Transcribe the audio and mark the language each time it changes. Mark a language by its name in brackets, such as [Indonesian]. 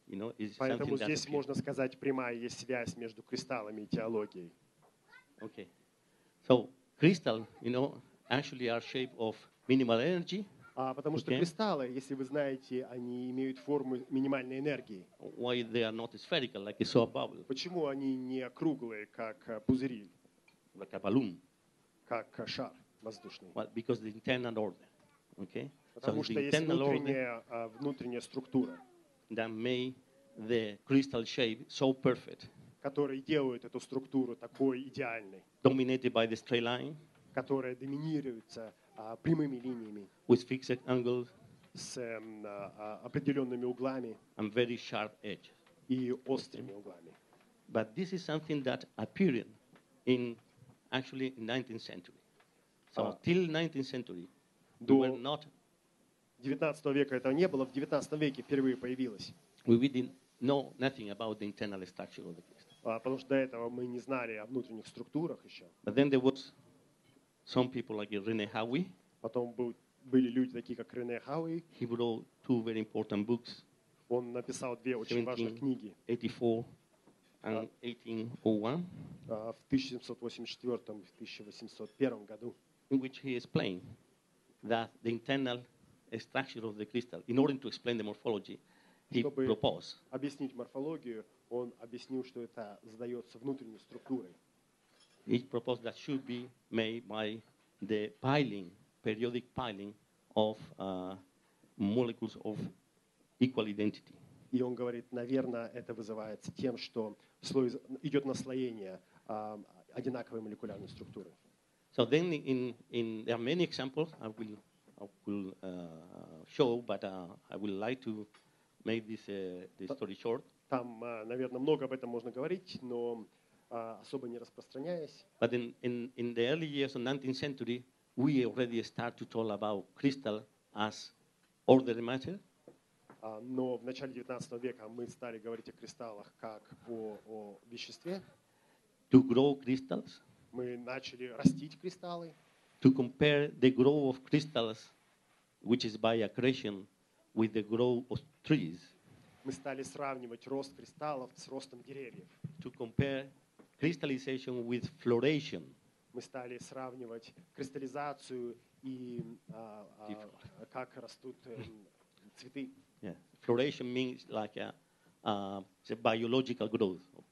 [English] You know, is [Russian] Поэтому [English] something [Russian] здесь [English] that [Russian] можно сказать прямая есть связь между кристаллами и теологией. [English] Okay. So crystal, you know, actually are shape of minimal energy. [Russian] А потому okay. что кристаллы, если вы знаете, они имеют форму минимальной энергии. [English] Why they are not spherical, like a soap bubble? [Russian] Почему они не круглые, как пузыри? [English] Like a balloon. [Russian] Как шар воздушный. [English] Well, because the internal order. Okay? [Russian] Потому so что есть внутренняя структура. [English] That made the crystal shape so perfect. [Russian] Которые делают эту структуру такой идеальной. [English] Dominated by the straight line. [Russian] Которая доминируется прямыми линиями. [English] With fixed angles. [Russian] С определенными углами. [English] And very sharp edges. [Russian] И острыми okay. углами. [English] But this is something that appeared in actually 19th century. So till 19th century, they were not. [Russian] 19 века этого не было. В 19 веке впервые появилось. [English] We didn't know nothing about the internal structure of the crystal. [Russian] Потому что до этого мы не знали о внутренних структурах еще. [English] But then there was some people like Rene Hawi. [Russian] Потом были люди такие как Рене Хауи. [English] He wrote two very important books. [Russian] Он написал две очень важных книги. [English] 1784 and 1801. [Russian] В 1784 и 1801 году. [English] In which he explained that the internal structure of the crystal, in order to explain the morphology, he [Russian] Чтобы [English] proposed. [Russian] Объяснить морфологию, он объяснил, что это задается внутренней структурой. [English] He proposed that should be made by the piling, periodic piling of molecules of equal identity. [Russian] И он говорит, наверное, это вызывается тем, что слой идет наслоение одинаковой молекулярной структуры. [English] So then in there are many examples I will show, but I would like to make this story short. [Russian] Там, наверное, много об этом можно говорить, но особо не распространяясь. [English] But in the early years of 19th century, we already start to talk about crystal as ordered matter. [Russian] Но в начале 19 века мы стали говорить о кристаллах как о веществе. [English] To grow crystals. [Russian] Мы начали растить кристаллы. [English] To compare the growth of crystals, which is by accretion, with the growth of trees. [Russian] Мы стали сравнивать рост кристаллов с ростом деревьев. [English] To compare crystallization with floration. [Russian] Мы стали сравнивать кристаллизацию и как растут цветы. [English] Yeah. Floration means like a biological growth of